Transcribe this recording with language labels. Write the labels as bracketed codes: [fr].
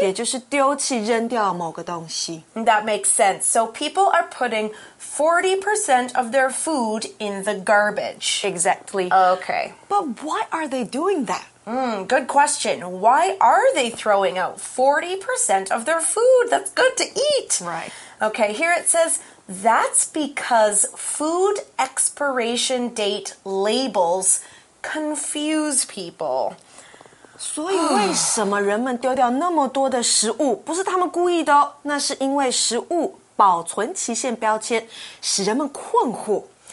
[zh] 也就是丢弃扔掉某个东西。 [en] That makes sense. So people are putting 40% of their food in the garbage. Exactly. Okay. But why are they doing that? Good question. Why are they throwing out 40% of their food? That's good to eat. Right. Okay, here it says, that's because food expiration date labels confuse people. [zh] 所以为什么人们丢掉那么多的食物？不是他们故意的哦，那是因为食物保存期限标签使人们困惑。